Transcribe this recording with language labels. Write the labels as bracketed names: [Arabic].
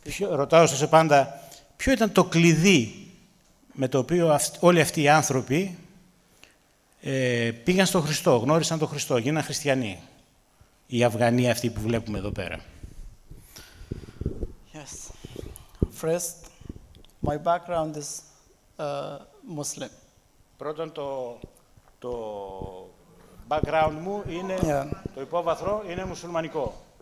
[Greek] Ρωτάω στο Σεπάντα, ποιο ήταν το κλειδί με το οποίο όλοι αυτοί οι άνθρωποι πήγαν στον Χριστό, γνώρισαν τον Χριστό, γίναν χριστιανοί, οι Αφγανοί αυτοί που βλέπουμε εδώ πέρα. [English] Yes. First, my background is Muslim. [Greek] Πρώτον, το background μου είναι, το υπόβαθρο είναι μουσουλμανικό.